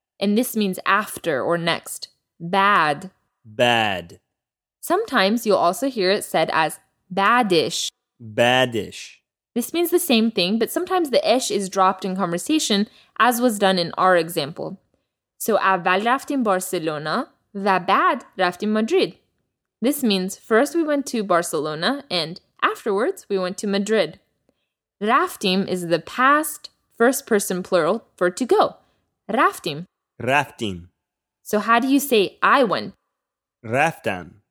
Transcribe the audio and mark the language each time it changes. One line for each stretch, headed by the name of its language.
English: And this means after or next. Bad. Bad. Sometimes you'll also hear it said as badish. Badish. This means the same thing, but sometimes the ish is dropped in conversation, as was done in our example.
Persian: So, اول رفتیم بارسلونا و بعد رفتیم مادرید.
English: This means first we went to Barcelona and afterwards we went to Madrid. رفتیم is the past first person plural for to go.
Persian: رفتیم. رفتیم.
English: So, how do you say I went?
Persian: رفتم.